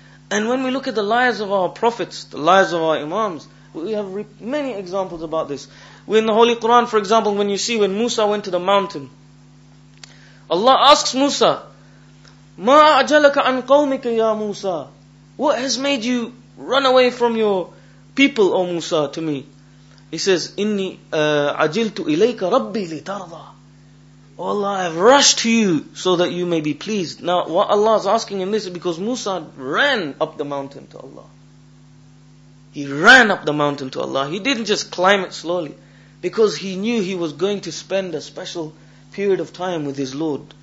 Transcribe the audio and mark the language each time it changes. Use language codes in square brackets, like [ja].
[en] And when we look at the lives of our prophets, the lives of our imams, we have many examples about this. In the Holy Quran, for example, when you see when Musa went to the mountain, Allah asks Musa, [ar] مَا أَعْجَلَكَ عَنْ قَوْمِكَ يَا مُوسَى. [en] What has made you run away from your people, O Musa, to me? He says, [ar] إِنِّي عَجِلْتُ إِلَيْكَ رَبِّي لِتَرْضَى. [en] O Allah, I have rushed to you so that you may be pleased. Now, what Allah is asking in this is because Musa ran up the mountain to Allah. He ran up the mountain to Allah. He didn't just climb it slowly, because he knew he was going to spend a special period of time with his Lord.